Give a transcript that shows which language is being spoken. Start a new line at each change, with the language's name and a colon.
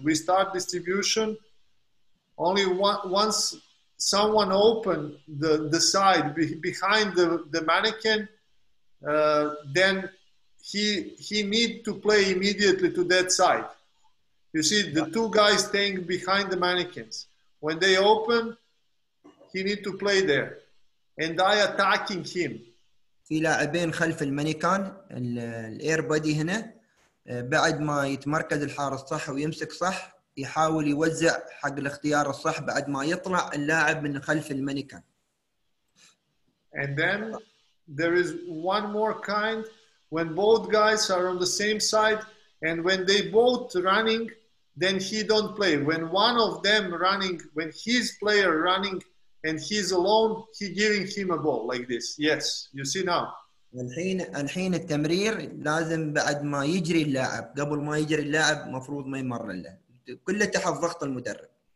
English: We start distribution only once someone open the side behind the mannequin, then he need to play immediately to that side. You see the two guys staying behind the mannequins. When they open, he need to play there. And I attacking him.
Arabic: في لاعبين خلف المانيكان الاير بادي هنا بعد ما يتمركز الحارس صح ويمسك صح يحاول يوزع حق الاختيار الصح بعد ما يطلع اللاعب من خلف المانيكان.
English: And then there is one more kind when both guys are on the same side and when they both running then he don't play. When one of them running, when his player running and he's alone, he giving him a ball like this. Yes, you see now.
Arabic: الحين التمرير لازم بعد ما يجري اللاعب قبل ما يجري اللاعب مفروض ما يمر له كله تحت ضغط المدرب.